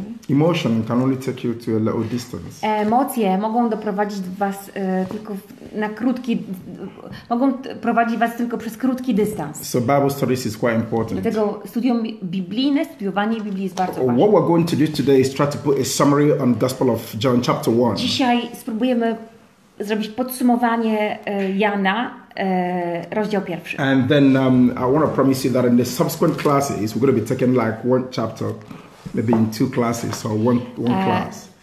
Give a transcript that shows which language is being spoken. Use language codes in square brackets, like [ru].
[en] Emotion can only take you to a little distance. [pl] Emocje mogą doprowadzić was tylko na krótki, mogą prowadzić was tylko przez krótki dystans. [en] So Bible studies is quite important. [pl] Dlatego studium biblijne, studiowanie Biblii jest bardzo ważne. [en] What we're going to do today is try to put a summary on Gospel of John chapter 1. [pl] Dzisiaj spróbujemy zrobić podsumowanie Jana, rozdział pierwszy. [en] And then I want to promise you that in the subsequent classes we're going to be taking like one chapter. Maybe in two classes or one class.